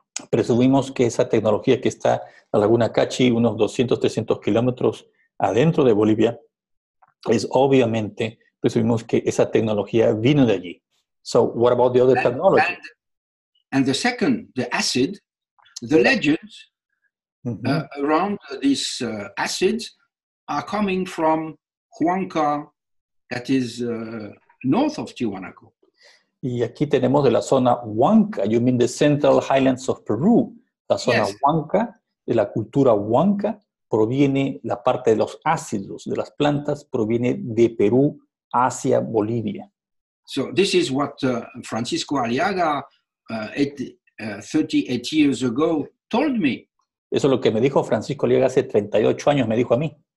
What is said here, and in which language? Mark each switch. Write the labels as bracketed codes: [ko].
[es] Presumimos que esa tecnología que está en la Laguna Cachi, unos 200, 300 kilómetros adentro de Bolivia, es obviamente, presumimos que esa tecnología vino de allí. [en] So what about the other technology? And the second, the acid, the legends, around these acids are coming from Huanca, that is north of Tiwanaku. [es] Y aquí tenemos de la zona Huanca, [en] you mean the central highlands of Peru. [es] La zona Huanca, de la cultura Huanca, proviene la parte de los ácidos, de las plantas, proviene de Perú hacia Bolivia. [en] So this is what Francisco Aliaga, 38 years ago, told me. [es] Eso es lo que me dijo Francisco Liga hace 38 años, me dijo a mí.